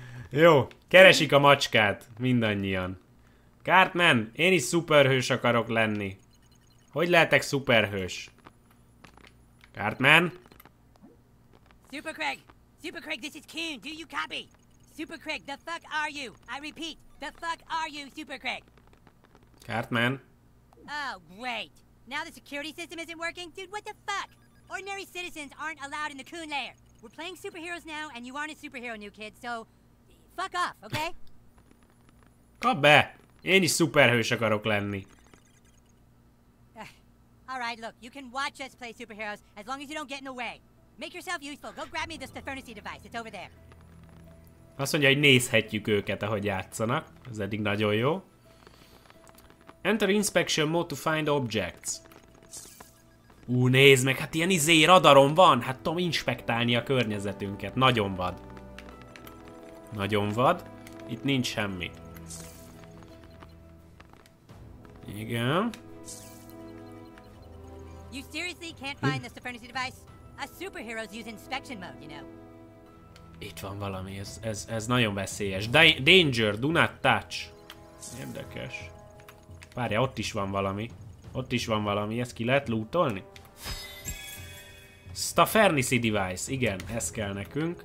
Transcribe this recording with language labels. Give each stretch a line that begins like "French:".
Hungarian: Jó, keresik a macskát mindannyian. Cartman, én is szuperhős akarok lenni. Hogy lehetek szuperhős? Cartman?
English: Super Craig! Super Craig, this is Coon, do you copy? Super Craig, the fuck are you? I repeat, the fuck are you, Super Craig? Cartman? Oh, great. Now the security system isn't working? Dude, what the fuck? Ordinary citizens aren't allowed in the Coon Lair. We're playing superheroes now, and you aren't a superhero, new kid, so fuck off, okay?
Hungarian: Kap be! Én is szuperhős akarok lenni.
English: Alright, look, you can watch us play superheroes as long as you don't get in the way. Make yourself useful. Go grab me the Stefanisi device. It's over there.
Hungarian: Azt mondja, hogy nézhetjük őket, ahogy játszanak. Ez eddig nagyon jó.
English: Enter inspection mode to find objects.
Hungarian: Nézd meg, hát ilyen izé radarom van. Hát tudom inspektálni a környezetünket. Nagyon vad. Nagyon vad. Itt nincs semmi. Igen.
English: You seriously can't find the Stefanisi device? A superhero's use inspection mode, you know.
Hungarian: Itt van valami, ez nagyon veszélyes.
English: Danger, do not touch.
Hungarian: Érdekes. Várja, ott is van valami. Ott is van valami, ezt ki lehet lootolni? Stefanisi device, igen, ez kell nekünk.